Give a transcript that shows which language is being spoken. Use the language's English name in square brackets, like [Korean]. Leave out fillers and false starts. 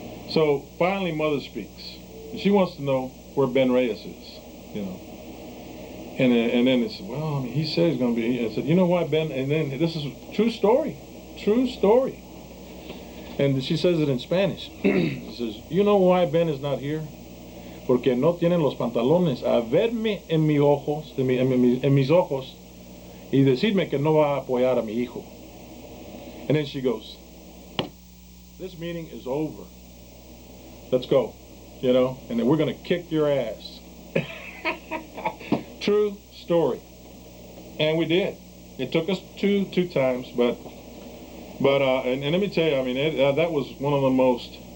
[English] So finally, Mother speaks. And she wants to know where Ben Reyes is, you know. And then they said, well, I mean, he said he's going to be here. I said, you know what, Ben? And then this is a true story. True story. And she says it in Spanish. She says, you know why Ben is not here? [Spanish] Porque no tienen los pantalones a verme en mis ojos, en mis ojos, y decirme que no va a apoyar a mi hijo. [English] And then she goes, this meeting is over. Let's go, you know, and then we're going to kick your ass. True story. And we did. It took us two times, but let me tell you, I mean, that was one of the most...